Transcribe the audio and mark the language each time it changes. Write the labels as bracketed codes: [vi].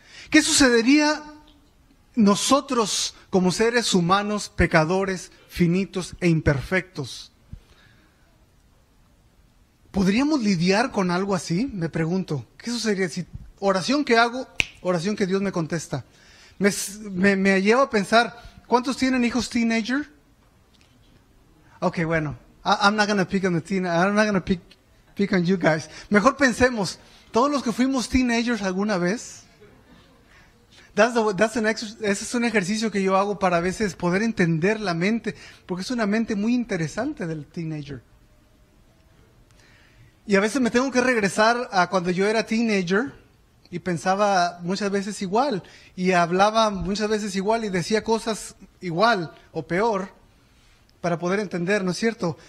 [es] ¿Qué sucedería nosotros como seres humanos, pecadores, finitos e imperfectos? ¿Podríamos lidiar con algo así? Me pregunto, ¿qué sucedería si oración que hago, oración que Dios me contesta? Me lleva a pensar, ¿cuántos tienen hijos teenager? [en] Ok, bueno, I'm not gonna pick on you guys. [es] Mejor pensemos, todos los que fuimos teenagers alguna vez. Ese es un ejercicio que yo hago para a veces poder entender la mente, porque es una mente muy interesante del teenager. Y a veces me tengo que regresar a cuando yo era teenager y pensaba muchas veces igual, y hablaba muchas veces igual y decía cosas igual o peor para poder entender, ¿no es cierto?